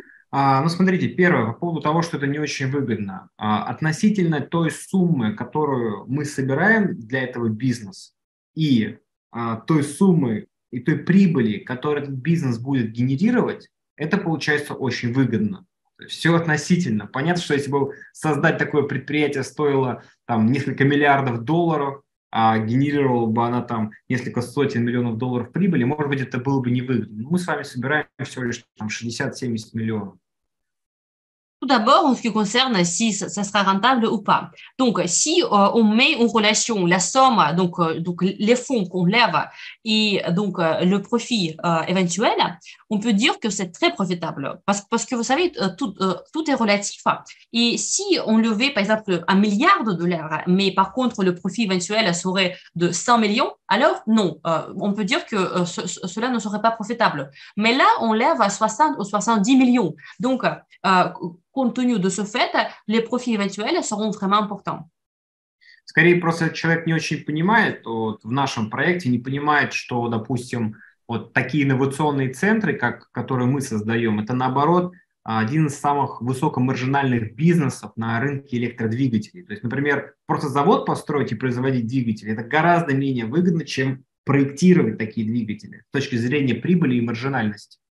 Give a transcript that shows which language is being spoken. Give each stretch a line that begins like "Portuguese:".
Russian: Ну, смотрите, первое, по поводу того, что это не очень выгодно. Относительно той суммы, которую мы собираем для этого бизнеса, и той суммы, и той прибыли, которую этот бизнес будет генерировать, это получается очень выгодно. Все относительно. Понятно, что если бы создать такое предприятие стоило там несколько миллиардов долларов, а генерировала бы она там несколько сотен миллионов долларов прибыли, может быть, это было бы невыгодно. Но мы с вами собираем всего лишь там 60-70 миллионов.
French: Tout d'abord, en ce qui concerne si ça sera rentable ou pas. Donc, si on met en relation la somme, donc les fonds qu'on lève et donc le profit éventuel, on peut dire que c'est très profitable. Parce que vous savez, tout est relatif. Et si on levait, par exemple, 1 milliard de dollars, mais par contre, le profit éventuel serait de 100 millions, alors non, on peut dire que cela ne serait pas profitable. Mais là, on lève 60 ou 70 millions. Donc, compte tenu de ce fait, les profits éventuels seront vraiment importants.
Russian: Скорее просто человек не очень понимает, вот, в нашем проекте не понимает, что, допустим, вот такие инновационные центры, как которые мы создаем, это наоборот один из самых высокомаржинальных бизнесов на рынке электродвигателей. То есть, например, просто завод построить и производить двигатели это гораздо менее выгодно, чем проектировать такие двигатели с точки зрения прибыли и маржинальности.